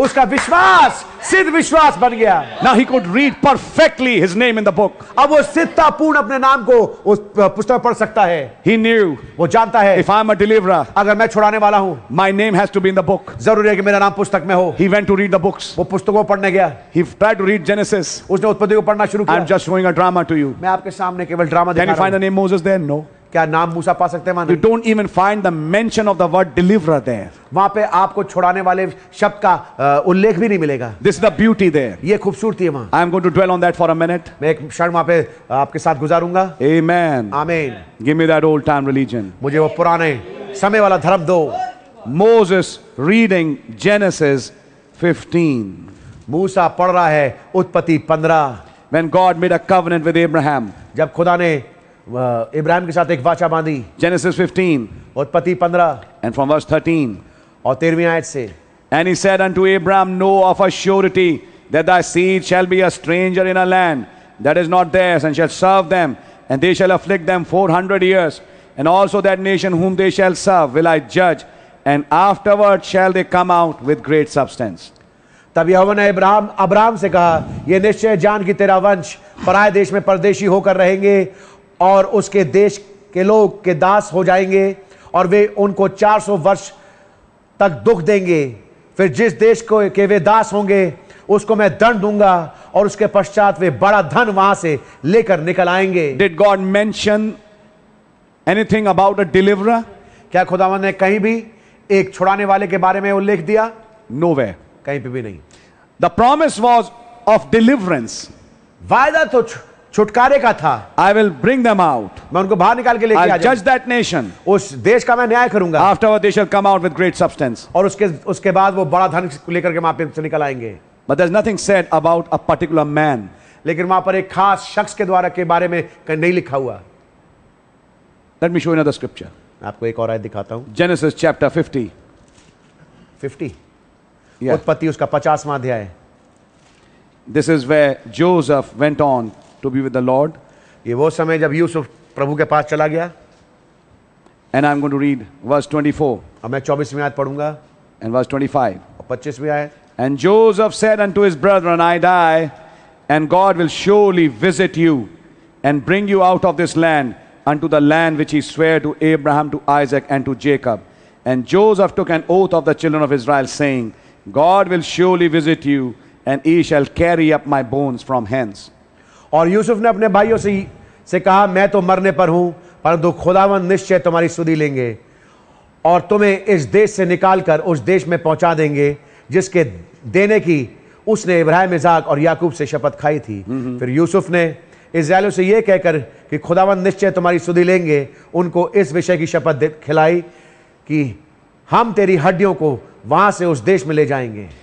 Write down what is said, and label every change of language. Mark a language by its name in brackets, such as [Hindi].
[Hindi] उसका विश्वास सिद्ध विश्वास बन गया. [English] Now he could read perfectly his name in the book. [Hindi] अब वो सिद्धता पूर्ण अपने नाम को उस पुस्तक में पढ़ सकता है. [English] He knew. [Hindi] वो जानता है. [English] If I'm a deliverer, [Hindi] अगर मैं छुड़ाने वाला हूँ, [English] my name has to be in the book. [Hindi] जरूरी है कि मेरा नाम पुस्तक में हो. [English] He went to read the books. [Hindi] वो पुस्तकों को पढ़ने गया. [English] He tried to read Genesis. [Hindi] उसने उत्पत्ति को पढ़ना शुरू किया. [English] I'm just showing a drama to you. [Hindi] मैं आपके सामने केवल ड्रामा दिखा रहा हूँ. [English] Can you find the name Moses there? No. [Hindi] क्या नाम मूसा पा सकते हैं? [English] You don't even find the mention of the word deliverer there. [Hindi] वहाँ पे आपको छुड़ाने वाले शब्द का उल्लेख भी नहीं मिलेगा. [English] This is the beauty there. [Hindi] ये खूबसूरती है वहाँ. [English] I am going to dwell on that for a minute. [Hindi] मैं एक क्षण वहाँ पे आपके साथ गुजारूंगा. [English] Amen. Amen. Give me that old time religion. [Hindi] मुझे वो पुराने समय वाला धर्म दो. [English] Moses reading Genesis 15. [Hindi] मूसा पढ़ रहा है उत्पत्ति 15. [English] When God made a covenant with Abraham. [Hindi] जब खुदा ने इब्राहिम के साथ एक वाचा बांधी. [English] Genesis 15. [Hindi] उत्पत्ति 15. [English] And from verse 13. [Hindi] और 13वीं आयत से. [English] And he said unto Abraham, Know of a surety that thy seed shall be a stranger in a land that is not theirs, and shall serve them, and they shall afflict them 400 years. And also that nation whom they shall serve will I judge, and afterward shall they come out with great substance. [Hindi] तब यहोवा ने Abraham से कहा, ये निश्चय जान कि तेरा वंश पराए देश में परदेशी होकर रहेंगे और उसके देश के लोग के दास हो जाएंगे और वे उनको 400 वर्ष तक दुख देंगे. फिर जिस देश को के वे दास होंगे उसको मैं दंड दूंगा और उसके पश्चात वे बड़ा धन वहां से लेकर निकल आएंगे. [English] Did God mention anything about a deliverer? [Hindi] क्या खुदावन ने कहीं भी एक छुड़ाने वाले के बारे में उल्लेख दिया? [English] Nowhere. [Hindi] कहीं पे भी नहीं. [English] The promise was of deliverance. [Hindi] वायदा तो छुटकारे का था. [English] I will bring them out. [Hindi] मैं उनको बाहर निकाल के लेके आऊंगा. [English] I'll judge that nation. [Hindi] उस देश का मैं न्याय करूंगा. [English] Afterward they shall come out with great substance. [Hindi] और उसके बाद वो बड़ा धन लेकर के वहां से निकल आएंगे. [English] But there's nothing said about a particular man. [Hindi] लेकिन वहां पर एक खास शख्स के द्वारा के बारे में नहीं लिखा हुआ. [English] Let me show you another scripture. [Hindi] आपको एक और आयत दिखाता हूं. [English] Genesis chapter 50. 50. Yeah. [Hindi] उत्पत्ति उसका 50वां अध्याय. [English] This is where Joseph went on to be with the Lord. [Hindi] ये वो समय जब यूसुफ प्रभु के पास चला गया. [English] And I'm going to read verse 24. [Hindi] अब मैं 24वीं आयत पढूंगा. [English] And verse 25. [Hindi] और 25वीं आयत. [English] And Joseph said unto his brethren, I die, and God will surely visit you, and bring you out of this land unto the land which he sware to Abraham, to Isaac, and to Jacob. And Joseph took an oath of the children of Israel, saying, God will surely visit you, and ye shall carry up my bones from hence. [Hindi] और यूसुफ ने अपने भाइयों से कहा, मैं तो मरने पर हूं, परंतु खुदावन निश्चय तुम्हारी सुधि लेंगे और तुम्हें इस देश से निकालकर उस देश में पहुंचा देंगे जिसके देने की उसने इब्राहिम, इसहाक और याकूब से शपथ खाई थी. फिर यूसुफ ने इसराइलों से यह कहकर कि खुदावन निश्चय तुम्हारी सुधि लेंगे, उनको इस विषय की शपथ खिलाई कि हम तेरी हड्डियों को वहां से उस देश में ले जाएंगे.